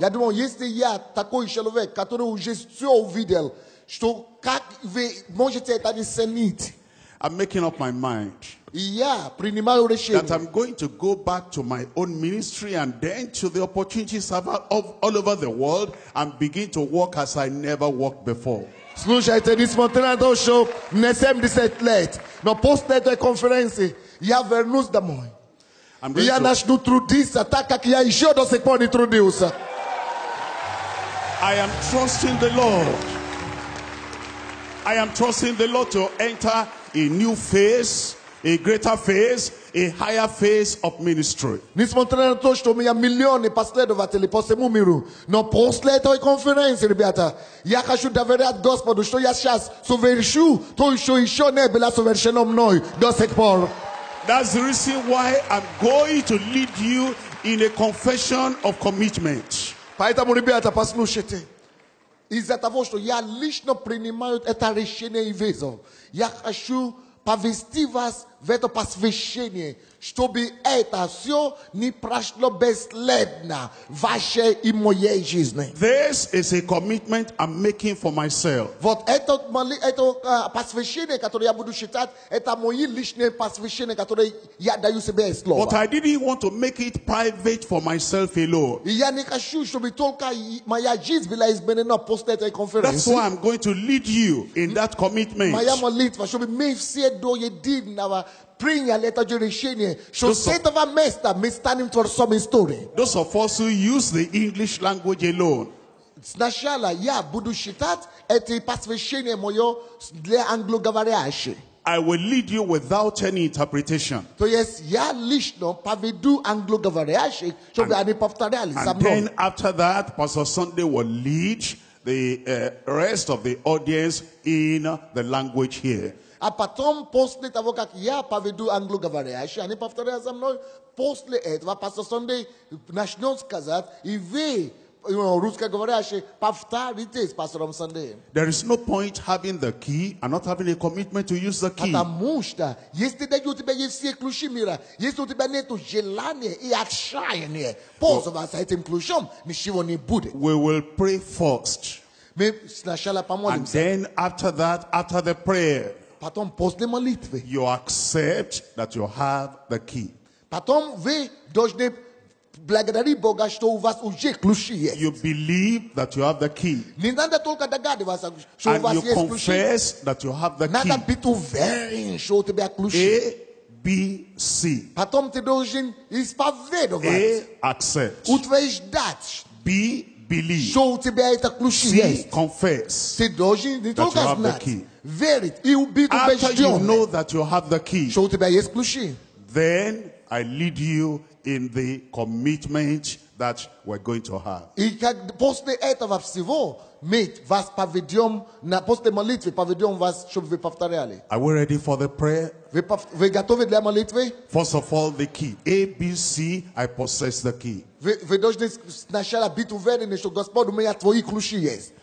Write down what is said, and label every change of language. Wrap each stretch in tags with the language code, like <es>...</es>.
<ru>Я думал, если я такой человек, который уже все увидел, что как вы можете это оценить?</ru> <en>I'm making up my mind.</en> <ru>Я принимаю решение.</ru> <en>That I'm going to go back to my own ministry and then to the opportunities I've had all over the world and begin to walk as I never walked before.</en> <ru>Слушайте, несмотря на то, что мне 70 лет, но после этой конференции я вернусь домой. И я начну трудиться, так как я еще до сих пор не трудился.</ru> <en>I am trusting the Lord. I am trusting the Lord to enter a new phase, a greater phase, a higher phase of ministry.</en> <ru>Несмотря на то, что у меня миллионы последователей по всему миру, но после этой конференции, ребята, я хочу доверять Господу, что я сейчас совершу то, что еще не было совершено мной до сих пор.</ru> <en>That's the reason why I'm going to lead you in a confession of commitment.</en> <ru>Поэтому, ребята, послушайте. Из-за того, что я лично принимаю это решение и вызов, я хочу повести вас в это посвящение, чтобы это все не прошло бесследно в вашей и моей жизни.</ru> <en>This is a commitment I'm making for myself.</en> <ru>Вот это посвящение, которое я буду считать, это мое личное посвящение, которое я даю себе слово.</ru> <en>But I didn't want to make it private for myself alone.</en> <ru>Я не хочу, чтобы только моя жизнь была изменена после этой конференции.</ru> <en>That's why I'm going to lead you in that commitment.</en> <ru>Моя молитва, чтобы мы все до единого принял это решение, что с этого места мы станем творцом истории.</ru> <en>Those of us who use the English language alone.</en> <ru>Сначала я буду считать это посвящение мое для англоговорящих.</ru> <en>I will lead you without any interpretation.</en> <ru>То есть я лично поведу англоговорящих, чтобы они повторяли со мной.</ru> <en>And then after that, Pastor Sunday will lead the rest of the audience in the language here.</en> <ru>А потом, после того, как я поведу англоговорящий, они повторяют за мной, после этого Пастор Сондей начнет сказать, и вы, русскоговорящие, повторите с Пастором Сондеем.</ru> <en>There is no point having the key and not having a commitment to use the key.</en> <ru>Потому что, если у тебя есть все ключи мира, если у тебя нет желания и отчаяния пользоваться этим ключом, ничего не будет.</ru> <en>We will pray first.</en> <ru>Мы сначала помолимся.</ru> <en>And then after that, after the prayer,</en> <ru>потом после молитвы.</ru> <en>You accept that you have the key.</en> <ru>Потом вы должны благодарить Бога, что у вас уже ключи есть.</ru> <en>You believe that you have the key.</en> <ru>Не надо только догадываться, что у вас есть ключи.</ru> <en>And you confess that you have the key.</en> <ru>Надо быть уверен, что у тебя ключи.</ru> <en>A, B, C.</en> <ru>Потом ты должен исповедовать.</ru> <en>A, accept.</en> <ru>Утверждать.</ru> <en>B, believe.</en> <ru>Что у тебя это ключи есть.</ru> <en>C, confess.</en> <ru>Ты должен не только знать.</ru> <en>That you have the key.</en> <ru>Верит, и убит убежден.</ru> <en>You know that you have the key,</en> <ru>что у тебя есть ключи.</ru> <en>Then I lead you in the commitment that we're going to have.</en> <ru>И как после этого всего, мы вас поведем, после молитвы поведем вас, чтобы вы повторяли.</ru> <en>Are we ready for the prayer?</en> <ru>Вы готовы для молитвы?</ru> <en>First of all, the key. A, B, C, I possess the key.</en> <ru>Вы должны сначала быть уверены, что Господь у меня твои ключи есть.</ru>